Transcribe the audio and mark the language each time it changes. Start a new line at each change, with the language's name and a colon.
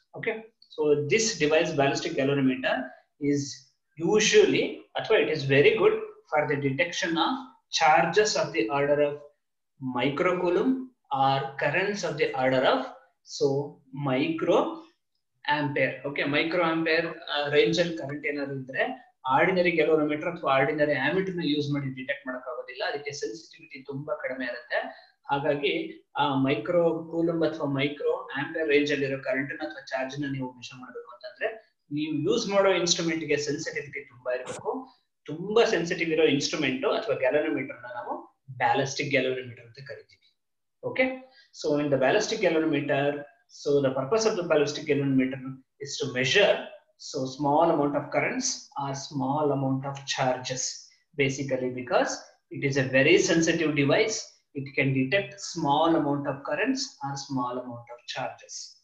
English: Okay, so this device, ballistic galvanometer, is usually, that's why it is very good for the detection of charges of the order of microcoulomb or currents of the order of microampere. Okay, microampere range and current in our
Kannada: ordinary galvanometer ಅಥವಾ ordinary ಆಮಿಟರ್ ನ use ಮಾಡಿ detect ಮಾಡೋಕಾಗೋದಿಲ್ಲ. ಅದಕ್ಕೆ sensitivity ತುಂಬಾ ಕಡಿಮೆ ಇರುತ್ತೆ. ಹಾಗಾಗಿ ಆ micro coulomb ಅಥವಾ ಮೈಕ್ರೋ ಆಂಪೇರ್ ರೇಂಜ್ ಅಲ್ಲಿರೋ ಕರೆಂಟ್ ನ ಅಥವಾ ಚಾರ್ಜ್ ನ ನೀವು ಮೆಷರ್ ಮಾಡಬೇಕು ಅಂತಂದ್ರೆ ನೀವು ಯೂಸ್ ಮಾಡೋ ಇನ್ಸ್ಟ್ರೂಮೆಂಟ್ ಗೆ ಸೆನ್ಸಿಟಿವಿಟಿ ತುಂಬಾ ಇರಬೇಕು. ತುಂಬಾ ಸೆನ್ಸಿಟಿವ್ ಇರೋ ಇನ್ಸ್ಟ್ರೂಮೆಂಟ್ ಅಥವಾ ಗ್ಯಾಲೋನೋಮೀಟರ್ ನ ನಾವು ಬ್ಯಾಲಿಸ್ಟಿಕ್ ಗ್ಯಾಲೋನೋಮೀಟರ್ ಅಂತ ಕರಿತೀವಿ.
English: Okay, so in the ballistic galvanometer, so the purpose of the ballistic galvanometer is to measure so small amount of currents or small amount of charges, basically because it is a very sensitive device, it can detect small amount of currents or small amount of charges.